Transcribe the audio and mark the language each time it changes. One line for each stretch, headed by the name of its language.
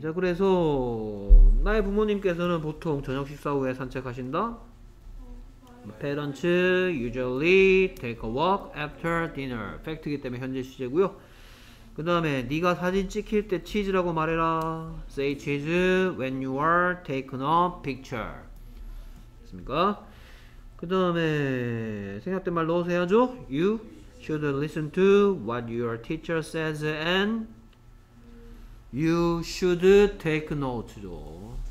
Korean: 자 그래서 나의 부모님께서는 보통 저녁 식사 후에 산책하신다?
English: parents usually take a walk after dinner.
Korean: fact이기 때문에 현재 시제고요. 그 다음에 네가 사진 찍힐 때 치즈라고 말해라.
English: Say cheese when you are taking a picture.
Korean: 됐습니까? 그 다음에 생각된 말 넣으셔야죠.
English: You should listen to what your teacher says and you should take notes죠.